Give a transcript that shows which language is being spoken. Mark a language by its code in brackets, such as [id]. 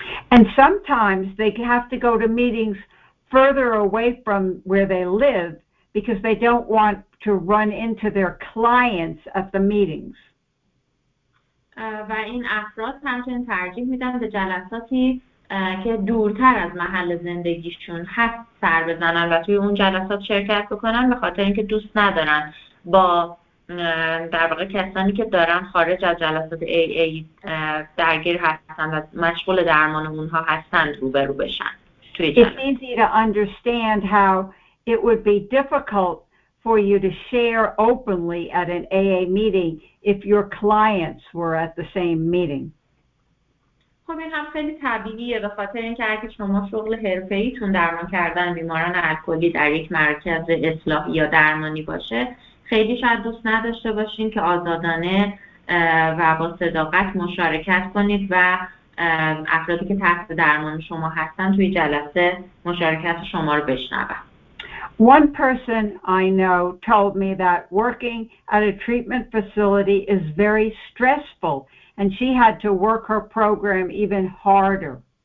[en] And sometimes they have to go to meetings further away from where they live because they don't want to run into their clients at the meetings. [fa] و این افراد همچنین ترجیح میدن به جلساتی که دورتر از محل زندگیشون هست سر بزنن و توی اون جلسات شرکت بکنن، به خاطر اینکه دوست ندارن با در واقع کسانی که دارن خارج از جلسات AA درگیر هستن و مشغول درمان اونها هستن روبرو بشن توی جلسات. [en] It's easy to understand how it would be difficult for you to share openly at an AA meeting if your clients were at the same meeting. [fa] خب این هم خیلی طبیعیه، به خاطر اینکه اگه شما شغل حرفه‌ایتون درمان کردن بیماران الکلی در یک مرکز اصلاح یا درمانی باشه، خیلی شاید دوست نداشته باشین که آزادانه و با صداقت مشارکت کنید و افرادی که تحت درمان شما هستن توی جلسه مشارکت شما رو بشنون. [en] One person I know told me that working at a treatment facility is very stressful and she had to work her program even harder.